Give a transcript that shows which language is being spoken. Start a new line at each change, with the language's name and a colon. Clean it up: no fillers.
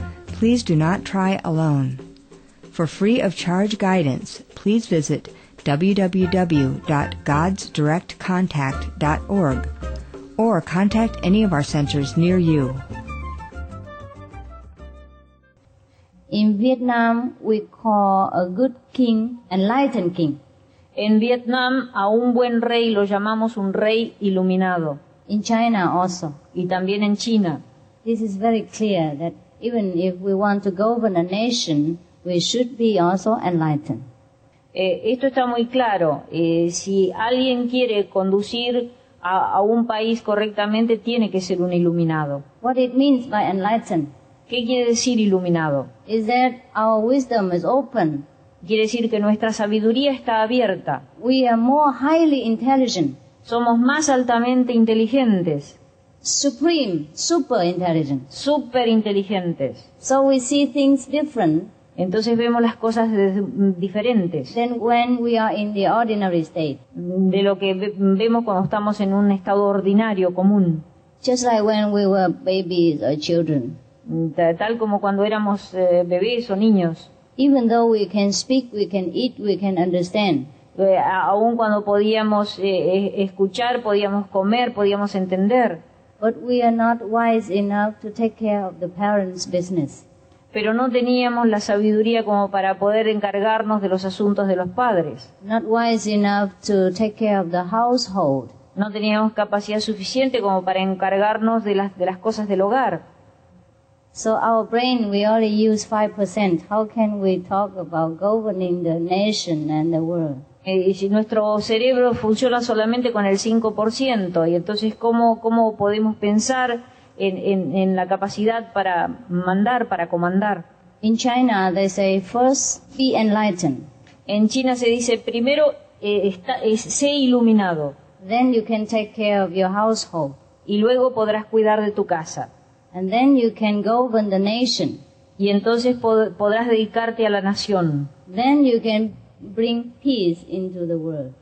English: Please do not try alone. For free of charge guidance, please visit www.godsdirectcontact.org or contact any of our centers near you. In Vietnam, we call a good king enlightened king.
Spanish: En Vietnam, a un buen rey lo llamamos un rey iluminado.
English: In China also.
Spanish: Y también en China.
English: This is very clear that even if we want to govern a nation, we should be also enlightened.
Spanish: Esto está muy claro. Si alguien quiere conducir a un país correctamente, tiene que ser un iluminado.
English: What it means by enlightened?
Spanish: ¿Qué quiere decir iluminado?
English: Is that our wisdom is open.
Spanish: Quiere decir que nuestra sabiduría está abierta.
English: We are more highly intelligent.
Spanish: Somos más altamente inteligentes.
English: Supreme, super intelligent.
Spanish: Super inteligentes.
English: So we see things different.
Spanish: Entonces vemos las cosas diferentes.
English: Then when we are in the ordinary state.
Spanish: De lo que vemos cuando estamos en un estado ordinario, común.
English: Just like when we were babies or children.
Spanish: Tal como cuando éramos bebés o niños.
English: Even though we can speak, we can eat, we can understand.
Spanish: Aún cuando podíamos escuchar, podíamos comer, podíamos entender.
English: But we are not wise enough to take care of the parents' business.
Spanish: pero no teníamos la sabiduría como para poder encargarnos de los asuntos de los padres.
English: Not wise enough to take care of the household.
Spanish: No teníamos capacidad suficiente como para encargarnos de las cosas del hogar.
English: So our brain, we only use 5%. How can we talk about governing the nation and the world?
Spanish: Y si nuestro cerebro funciona solamente con el 5%, y entonces cómo podemos pensar en la capacidad para mandar, para comandar?
English: In China, they say first be enlightened.
Spanish: En China se dice primero sé iluminado.
English: Then you can take care of your household.
Spanish: Y luego podrás cuidar de tu casa.
English: And then you can govern the nation.
Spanish: Y entonces podrás dedicarte a la nación.
English: Then you can bring peace into the world.